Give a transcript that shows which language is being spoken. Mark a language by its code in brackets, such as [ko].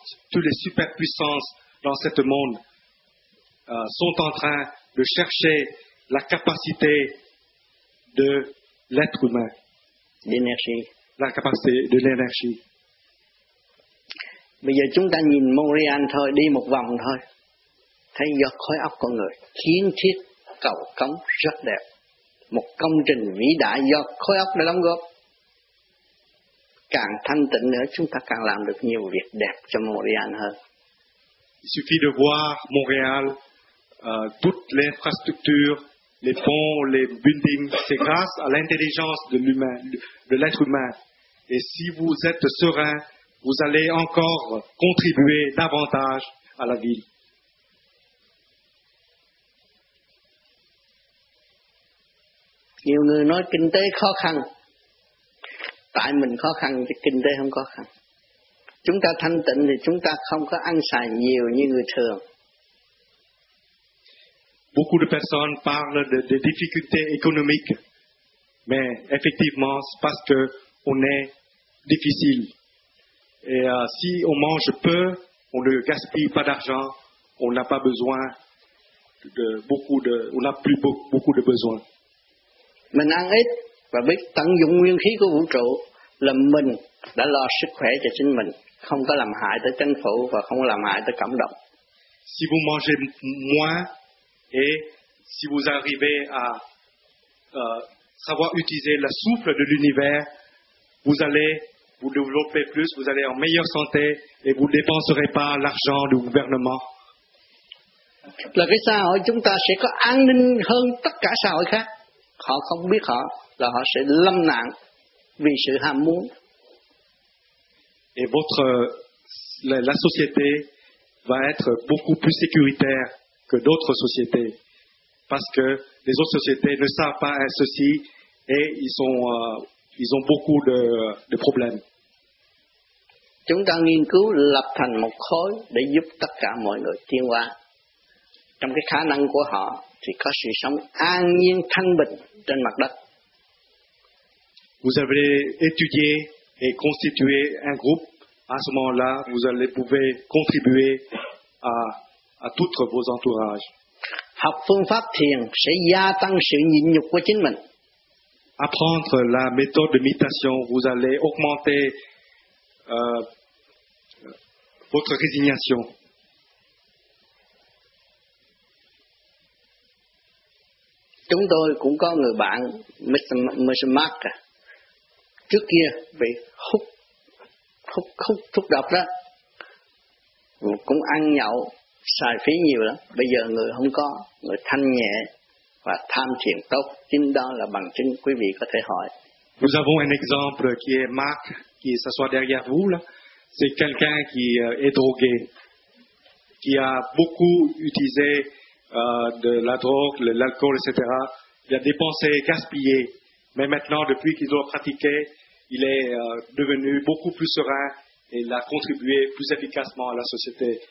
[fr] Toutes les superpuissances dans ce monde sont en train de chercher la capacité de l'être humain. L'énergie. La capacité de l'énergie. [vi] Bây giờ chúng ta nhìn Montréal thôi, đi một vòng thôi, thấy giọt khói óc con người, kiến thiết cầu cống rất đẹp, một công trình vĩ đại do khối óc đã đóng góp. Càng thanh tịnh nữa, chúng ta càng làm được nhiều việc đẹp cho Montréal hơn. [fr] Il suffit de voir Montréal, toute l'infrastructure, les ponts, les buildings, c'est grâce à l'intelligence de l'humain, de l'être humain. Et si vous êtes serein, vous allez encore contribuer davantage à la ville. [vi] Nhiều người nói kinh tế khó khăn. Tại mình khó khăn thì kinh tế không khó khăn. Chúng ta thanh tịnh thì chúng ta không có ăn xài nhiều như người thường. [fr] Beaucoup de personnes parlent de difficultés économiques, mais effectivement, c'est parce que on est difficile. Et si on mange peu, on ne gaspille pas d'argent, on n'a pas besoin de beaucoup de, on n'a plus beaucoup de besoins. [vi] Mình ăn ít và biết tận dụng nguyên khí của vũ trụ là mình đã lo sức khỏe cho chính mình, không có làm hại tới chính phủ và không làm hại tới cộng đồng. [fr] Si vous mangez moins et si vous arrivez à savoir utiliser le souffle de l'univers, vous allez vous développer plus, vous allez en meilleure santé et vous ne dépenserez pas l'argent du gouvernement. [vi] Là cái xã hội chúng ta sẽ có an ninh hơn tất cả xã hội khác. Họ không biết họ là họ sẽ lâm nạn vì sự ham muốn. [fr] Et votre la société va être beaucoup plus sécuritaire que d'autres sociétés parce que les autres sociétés ne savent pas ceci et ils ont beaucoup de problèmes. [vi] Chúng ta nghiên cứu lập thành một khối để giúp tất cả mọi người tiến hóa. Trong cái khả năng của họ thì có sự sống an nhiên thanh bình trên mặt đất. [fr] Vous avez étudié et constitué un groupe. À ce moment-là, vous allez pouvoir contribuer à tout vos entourages. [vi] Học phương pháp thiền sẽ gia tăng sự nhịn nhục của chính mình. [fr] Apprendre la méthode de méditation, vous allez augmenter votre résignation. [vi] chúng tôi cũng có người bạn Mr. Mark trước kia bị hút thuốc độc đó, cũng ăn nhậu xài phí nhiều lắm. Bây giờ người không có, người thanh nhẹ và tham thiền tốt, chính đó là bằng chứng quý vị có thể hỏi. [fr] Nous avons un exemple qui est Marc qui s'assoit derrière vous là. C'est quelqu'un qui est drogué, qui a beaucoup utilisé de la drogue, l'alcool, etc. Il a dépensé, gaspillé. Mais maintenant, depuis qu'il a pratiqué, il est devenu beaucoup plus serein et il a contribué plus efficacement à la société.